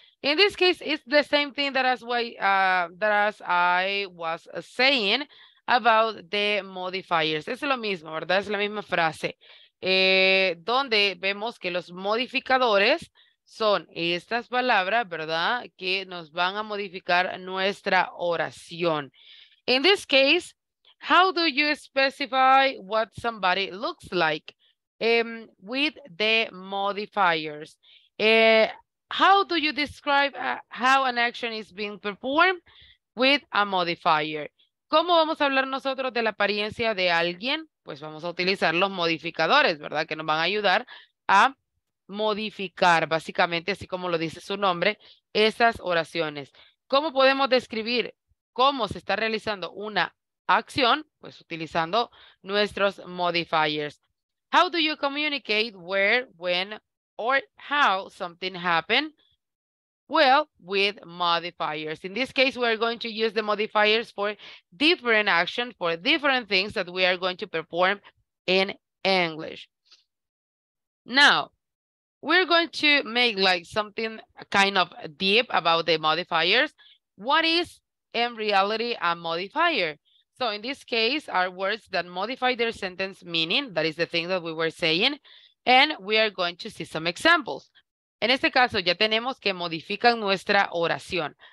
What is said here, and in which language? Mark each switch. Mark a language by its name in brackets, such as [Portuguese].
[English] In this case, it's the same thing that as I was saying about the modifiers. [Spanish] Es lo mismo, ¿verdad? Es la misma frase. Donde vemos que los modificadores son estas palabras, ¿verdad? Que nos van a modificar nuestra oración. [English] In this case, how do you specify what somebody looks like with the modifiers? How do you describe how an action is being performed with a modifier? [Spanish] ¿Cómo vamos a hablar nosotros de la apariencia de alguien? Pues vamos a utilizar los modificadores, ¿verdad? Que nos van a ayudar a modificar, básicamente, así como lo dice su nombre, esas oraciones. ¿Cómo podemos describir cómo se está realizando una acción? Pues utilizando nuestros modifiers. [English] How do you communicate where, when, or how something happened? Well, with modifiers. In this case, we're going to use the modifiers for different actions, for different things that we are going to perform in English. Now, we're going to make like something kind of deep about the modifiers. What is in reality a modifier? So in this case, are words that modify their sentence meaning, that is the thing that we were saying. And we are going to see some examples. [Spanish] En este caso, ya tenemos que modifican nuestra oración.